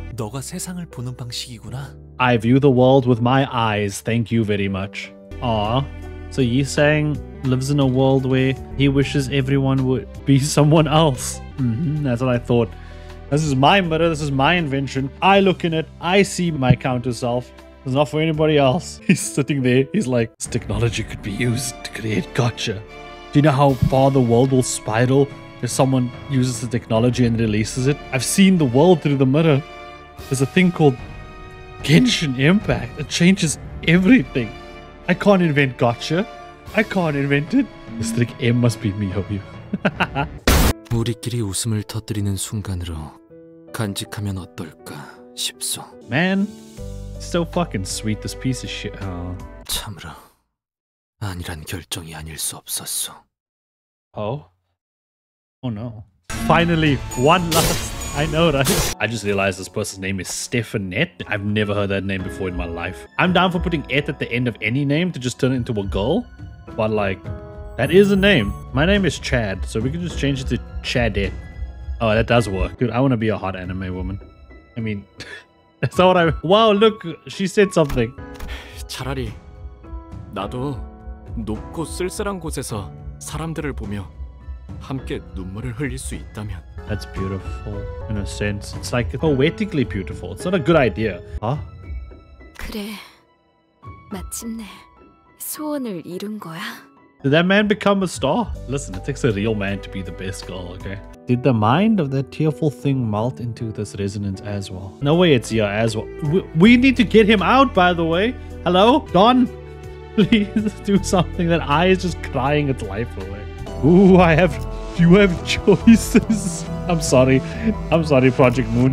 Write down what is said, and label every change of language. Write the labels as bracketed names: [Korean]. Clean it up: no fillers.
[Korean] 너가 세상을 보는 방식이구나. [English] I view the world with my eyes. Thank you very much. Aw. So Yisang lives in a world where he wishes everyone would be someone else. That's what I thought. This is my mirror. This is my invention. I look in it. I see my counter self. It's not for anybody else. He's sitting there. He's like, this technology could be used to create Gacha. Do you know how far the world will spiral if someone uses the technology and releases it? I've seen the world through the mirror. There's a thing called Genshin Impact. It changes everything. I can't invent Gacha. I can't invent it. This trick M must be me of you. [Korean] 우리끼리 웃음을 터뜨리는 순간으로 간직하면 어떨까 싶소. [English] Man, so fucking sweet, this piece of shit. Oh. [Korean] 참으로 아니란 결정이 아닐 수 없었소. [English] Oh? Oh no. Finally, one last. I know, right? I just realized this person's name is Stephanette. I've never heard that name before in my life. I'm down for putting Et at the end of any name to just turn it into a girl. But like, that is a name. My name is Chad, so we can just change it to Chadette. Oh, that does work. Dude, I want to be a hot anime woman. I mean, that's not what I... Wow, look, she said something. [Korean] 차라리 나도 높고 쓸쓸한 곳에서 사람들을 보며 함께 눈물을 흘릴 수 있다면. [English] That's beautiful, in a sense. It's like poetically beautiful. It's not a good idea. Huh? [Korean] 그래, 마침내 소원을 이룬 거야. [English] Did that man become a star? Listen, it takes a real man to be the best girl, okay? Did the mind of that tearful thing melt into this resonance as well? No way it's here as well. We need to get him out, by the way. Hello? Don, please do something. That eye is just crying its life away. Ooh, you have choices. I'm sorry, Project Moon.